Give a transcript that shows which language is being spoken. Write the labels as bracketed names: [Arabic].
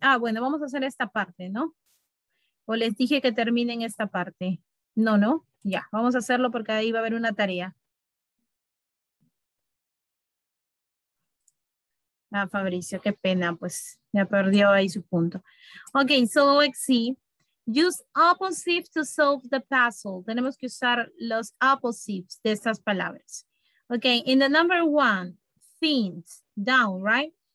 [Spanish] Ah, bueno, vamos a hacer esta parte, ¿no? O les dije que terminen esta parte. No, ¿no? Ya, vamos a hacerlo porque ahí va a haber una tarea. Ah, Fabricio, qué pena, pues ya perdió ahí su punto. [English] Ok, so, Lexi, use opposite to solve the puzzle. [Spanish] Tenemos que usar los opposites de estas palabras. [English] Ok, in the number one, thins, down, right?